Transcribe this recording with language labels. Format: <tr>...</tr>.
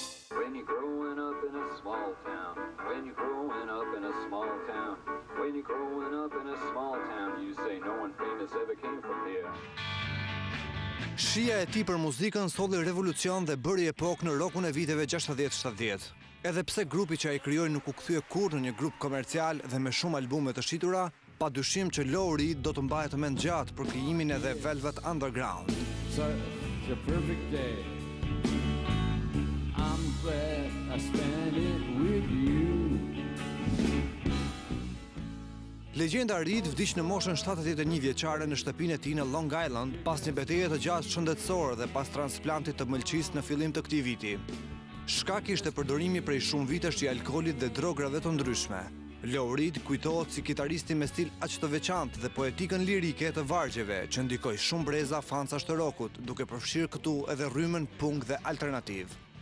<en>When you're growing up in a small town, when you're growing up in a small town, when you're growing up in a small town, you say no one famous ever came from here.</en> <sq>Shija e tij për muzikën solli revolucion dhe bëri epokë në rockun e viteve 60-70. Edhe pse grupi që ai krijoi nuk u kthye kurrë në një grup komercial dhe me shumë albume të shitura, padyshim që Lou Reed do të mbahet të mend gjatë për krijimin e The Velvet Underground.</sq> <en>So, it's a perfect day. I'm glad I spent it with you.</en> <sq>Legjenda Reed vdiq në moshën 71 vjeçare në shtëpinë e tij në Long Island pas një betaje të gjatë shëndetësore dhe pas transplantit të mëlçisë në fillim të këtij viti. Shkaki ishte përdorimi prej shumë vitesh i alkoolit dhe drograve të ndryshme. Lou Reed kujtohet si kitaristi me stil aq të veçantë dhe poetikën lirike të vargjeve që ndikoi shumë breza fansash të rockut, duke përfshirë këtu edhe rrymën punk dhe alternativ.</sq>